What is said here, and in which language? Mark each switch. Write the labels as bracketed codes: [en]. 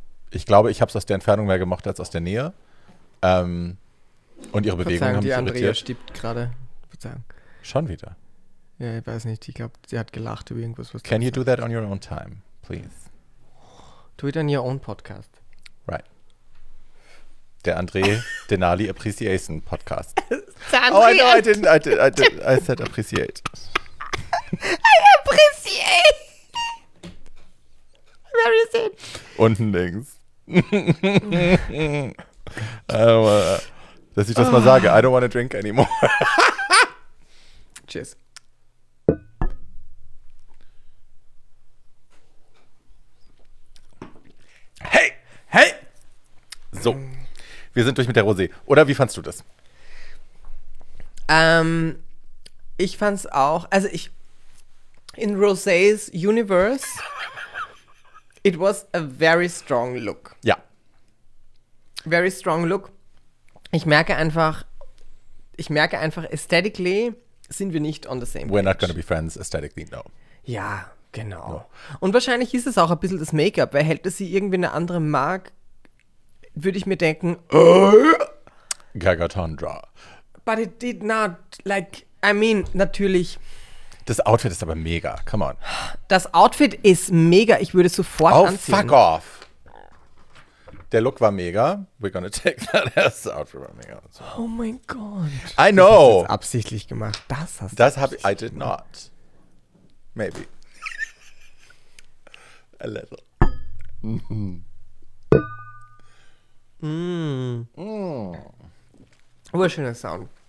[de] Ich glaube, ich habe es aus der Entfernung mehr gemocht als aus der Nähe. Und ihre Bewegungen haben mich irritiert. Die Andrea stiebt gerade. Schon wieder. Ja, ich weiß nicht, ich glaube, sie hat gelacht über irgendwas. Was [en] Can you do that on your own time, please? Do it on your own podcast. [de] Right. Der André Denali Appreciation Podcast. Oh, [en] I know, I said appreciate. I appreciate. Where is it? [de] Unten links. dass ich das mal sage, [en] I don't want to drink anymore. Cheers. Hey! [de] So, wir sind durch mit der Rosé. Oder wie fandst du das? Ich fand's auch, also ich, [en] in Rosés Universe, it was a very strong look. [de] Ja. [en] Very strong look. [de] Ich merke einfach, aesthetically sind wir nicht [en] on the same page. We're not gonna be friends aesthetically, no. [de] Ja. Genau. Ja. Und wahrscheinlich ist es auch ein bisschen das Make-up, weil hätte sie irgendwie eine andere Mark, würde ich mir denken, Gaga Tundra. [en] But it did not, like, I mean, [de] natürlich. Das Outfit ist aber mega, [en] come on. [de] Das Outfit ist mega, ich würde sofort anziehen. [en] Oh, fuck off. [de] Der Look war mega. [en] We're gonna take that as outfit [de] war mega. So. Oh mein Gott. [en] I know. [de] Das hast du absichtlich gemacht. Das hast du Das habe ich, [en] I did not. Maybe. A little. Mm. [de] Oh, schöner Sound.